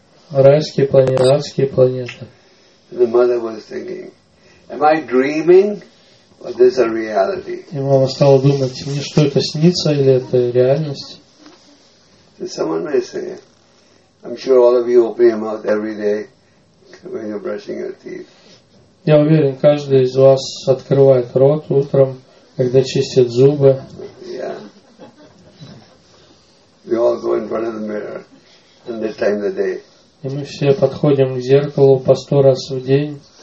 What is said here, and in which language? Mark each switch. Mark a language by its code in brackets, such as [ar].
[ru] Райские планеты, адские планеты. [en] The mother was thinking, am I dreaming or this a reality? [ru] И мама стала думать, не что это снится или это реальность. [en] And someone may say, I'm sure all of you open your mouth every day when you're brushing your teeth. [ru] Я уверен, каждый из вас открывает рот утром, когда чистит зубы. [en] Yeah. We all go in front of the mirror in this time of the day. [ru] И мы все подходим к зеркалу по 100 раз в день.